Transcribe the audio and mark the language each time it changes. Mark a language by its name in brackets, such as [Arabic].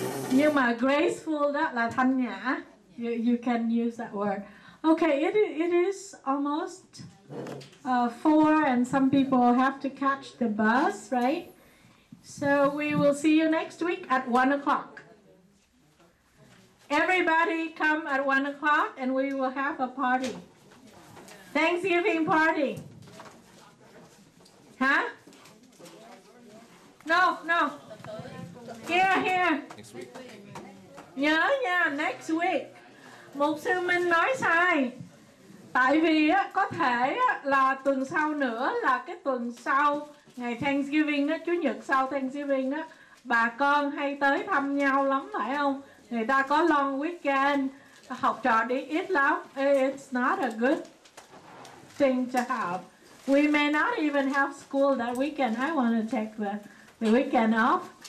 [Vietnamese] Nhưng mà graceful đó là thanh nhã. [English] You can use that word. Okay. It is almost 4, and some people have to catch the bus, right? So we will see you next week at 1 o'clock. Everybody come at 1 o'clock, and we will have a party. Thanksgiving party. Huh? No. Here. Next week. [Vietnamese] Nhớ nha, [English] next week. [Vietnamese] Mục sư Minh nói sai. Tại vì á, có thể á, là tuần sau nữa, là cái tuần sau ngày Thanksgiving đó, Chủ nhật sau Thanksgiving đó, bà con hay tới thăm nhau lắm, phải không? Người ta có long weekend, học trò đi ít lắm. [English] It's not a good thing to have. We may not even have school that weekend. I want to take the weekend off.